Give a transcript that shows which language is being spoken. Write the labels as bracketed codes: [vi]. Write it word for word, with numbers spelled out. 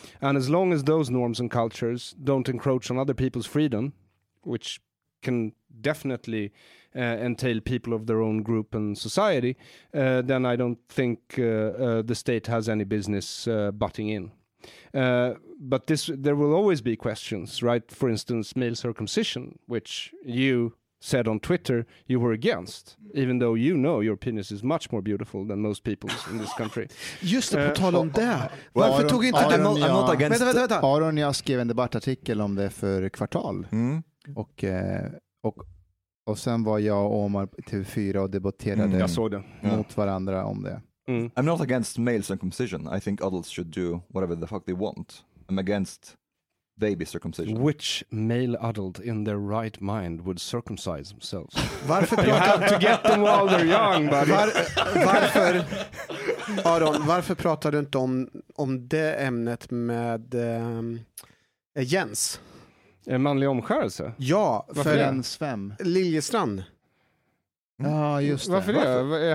[en] And as long as those norms and cultures don't encroach on other people's freedom, which can definitely uh, entail people of their own group and society, uh, then I don't think uh, uh, the state has any business uh, butting in. Uh, but this, there will always be questions, right? For instance, male circumcision, which you said on Twitter you were against, even though you know your penis is much more beautiful than most people's in this country. [sv] Just det, på uh, tal om det. Varför Aron, tog inte Aron, den? Aron, jag, [en] I'm not against [sv] vänta, vänta, vänta. Aron, jag skrev en debattartikel om det för Kvartal. Mm. Och, och, och sen var jag och Omar på T V fyra och debatterade mm, jag såg det. Yeah. mot varandra om det. Mm. [en] I'm not against male circumcision. I think adults should do whatever the fuck they want. I'm against baby circumcision. Which male adult in their right mind would circumcise themselves? [sv] Varför pratar... [en] You have to get them while they're young, buddy. [sv] Var, varför, Aron, varför pratar du inte om, om det ämnet med um, Jens? En manlig omskärelse? Ja, varför för Jens vem? Liljestrand. Ja, just det. Varför det? Varför?